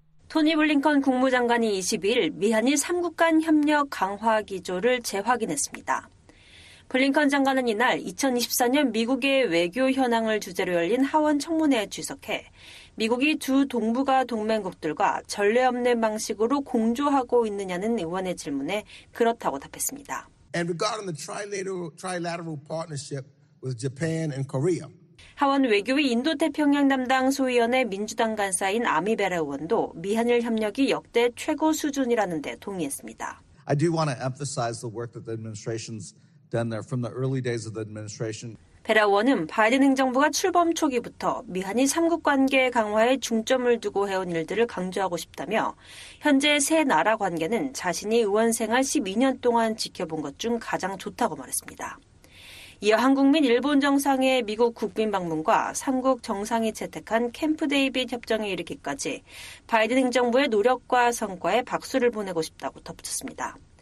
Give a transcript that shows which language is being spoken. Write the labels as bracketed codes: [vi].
[ko] 토니 블링컨 국무장관이 20일 미한일 3국 간 협력 강화 기조를 재확인했습니다. 블링컨 장관은 이날 2024년 미국의 외교 현황을 주제로 열린 하원 청문회에 출석해 미국이 두 동북아 동맹국들과 전례 없는 방식으로 공조하고 있느냐는 의원의 질문에 그렇다고 답했습니다. [en] And regarding the trilateral partnership with Japan and Korea. [ko] 하원 외교위 인도태평양 담당 소위원회 민주당 간사인 아미베라 의원도 미한일 협력이 역대 최고 수준이라는 데 동의했습니다. [en] I do want to emphasize the work that the administration's done there from the early days of the administration. [ko] 베라 의원은 바이든 행정부가 출범 초기부터 미한일 3국 관계 강화에 중점을 두고 해온 일들을 강조하고 싶다며 현재 세 나라 관계는 자신이 의원 생활 12년 동안 지켜본 것 중 가장 좋다고 말했습니다. 이어 한국민 일본 정상의 미국 국빈 방문과 3국 정상이 채택한 캠프 데이빗 협정에 이르기까지 바이든 행정부의 노력과 성과에 박수를 보내고 싶다고 덧붙였습니다.